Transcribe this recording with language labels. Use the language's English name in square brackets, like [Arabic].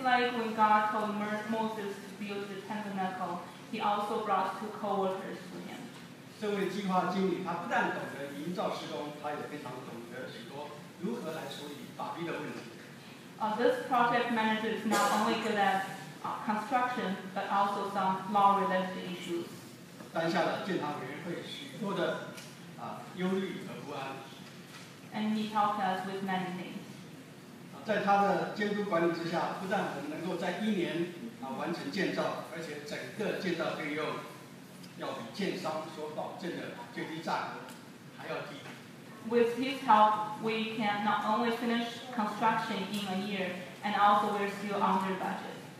[English] like when God told Moses to build the tabernacle, he also brought two co-workers to him. [Chinese] 这位计划经理，他不但懂得营造施工，他也非常懂得许多如何来处理法律的问题。 [English] This project manager is not only good at construction, but also some law-related issues. [Chinese] 担下了建堂委员会许多的忧虑和不安。 [English] And he helped us with many things. [Chinese] 在他的监督管理之下，不但我们能够在一年完成建造，而且整个建造费用。要比建商所保证的最低价格还要低。 [English] With his help, we can not only finish construction in a year, and also we're still under budget.